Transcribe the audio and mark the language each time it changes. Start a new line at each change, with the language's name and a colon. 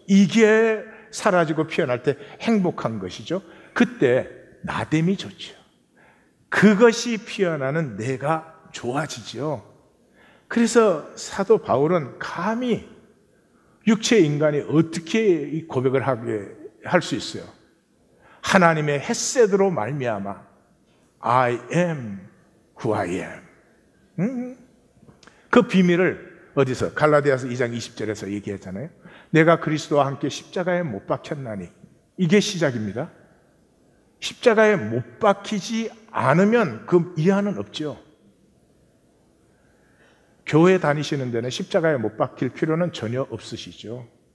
Korean: 이게 사라지고 피어날 때 행복한 것이죠. 그때 나됨이 좋죠. 그것이 피어나는 내가 좋아지죠. 그래서 사도 바울은 감히 육체 인간이 어떻게 고백을 하게 할 수 있어요? 하나님의 헤세드로 말미암아
English: I am who I am.
Korean: 그 비밀을 어디서? 갈라디아서 2장 20절에서 얘기했잖아요. 내가 그리스도와 함께 십자가에 못 박혔나니. 이게 시작입니다. 십자가에 못 박히지 않으면 그 이하는 없죠. 교회 다니시는 데는 십자가에 못 박힐 필요는 전혀 없으시죠.